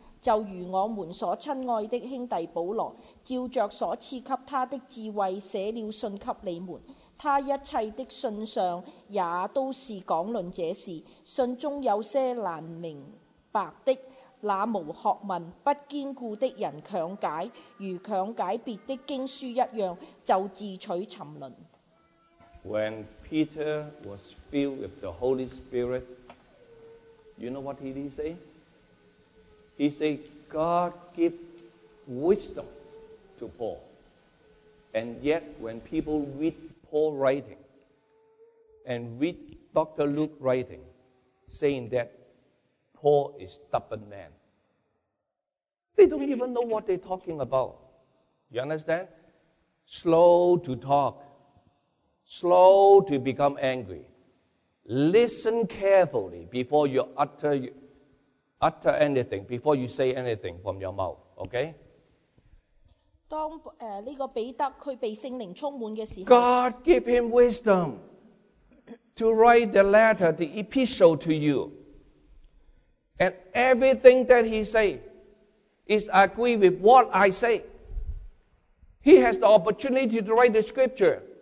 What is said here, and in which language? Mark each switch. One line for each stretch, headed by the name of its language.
Chinese: 就如我们所亲爱的兄弟保罗，照着所赐给他的智慧写了信给你们，他一切的信上也都是讲论这事，信中有些难明白的，那无学问不坚固的人强解，如强解别的经书一样，就自取沉沦。
English: When Peter was filled with the Holy Spirit, you know what he did say? He said, God give wisdom to Paul. And yet, when people read Paul's writing and read Dr. Luke's writing, saying that Paul is a stubborn man, they don't even know what they're talking about. You understand? Slow to talk. Slow to become angry. Listen carefully before you utter anything before you say anything from your mouth, okay?
Chinese: 当这个彼得他被圣灵充满的时候
English: God give him wisdom to write the letter, the epistle to you. And everything that he say is agree with what I say. He has the opportunity to write the scripture.